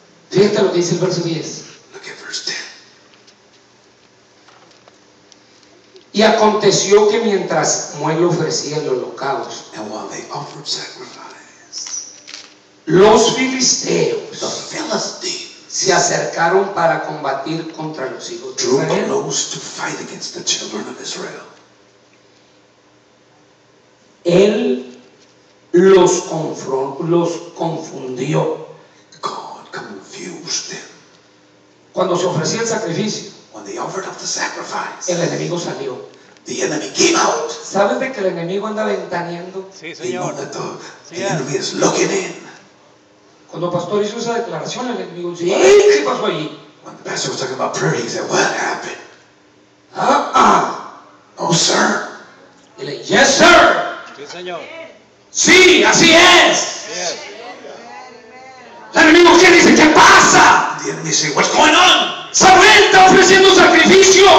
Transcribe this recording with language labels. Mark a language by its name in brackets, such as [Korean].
[Spanish] Fíjate lo que dice el verso 10. [English] Look at verse 10. [Spanish] Y aconteció que mientras Samuel ofrecía el holocausto, [English] and while they offered sacrifice, [Spanish] los filisteos, [English] the Philistines, [Spanish] se acercaron para combatir contra los hijos de Israel. [English] Drew close to fight against the children of Israel. [Spanish] Él los confundió. [English] God confused them. [Spanish] Cuando se ofrecía el sacrificio, [English] when they offered up the sacrifice, [Spanish] el enemigo salió. [English] The enemy came out. [Spanish] ¿Sabes de que el enemigo anda ventaneando? Sí, señor. [English] The enemy is looking in. [Spanish] Cuando el pastor hizo esa declaración, el enemigo dice, ¿eh? ¿Qué pasó allí? [English] When the pastor was talking about prayer, he said, what happened? No, sir. [Spanish] Y le dice, [English] yes, sir. [Spanish] Sí, señor. Sí, así es. [English] Yes. [Spanish] El enemigo, ¿qué dice? ¿Qué pasa? [English] The enemy said, what's going on? [Spanish] Samuel está ofreciendo sacrificio.